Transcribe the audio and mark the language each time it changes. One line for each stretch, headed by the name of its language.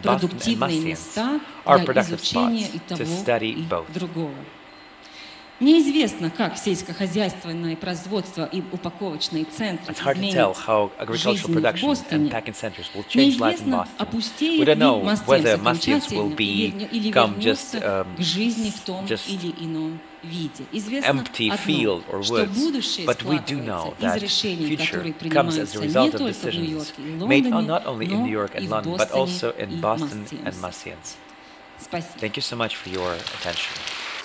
English: Boston and Mastien are productive spots to study both.
Russian: Неизвестно, как сельскохозяйственное производство и упаковочные центры изменят жизнь в Бостоне. Неизвестно, опустеет ли Мастерс окончательно или вернется к жизни в том или ином виде.
English: Empty field or woods, but we do know that future comes as a result of decisions made not only in New York and London, but also in Boston and Мастерс. Thank you so much for your attention.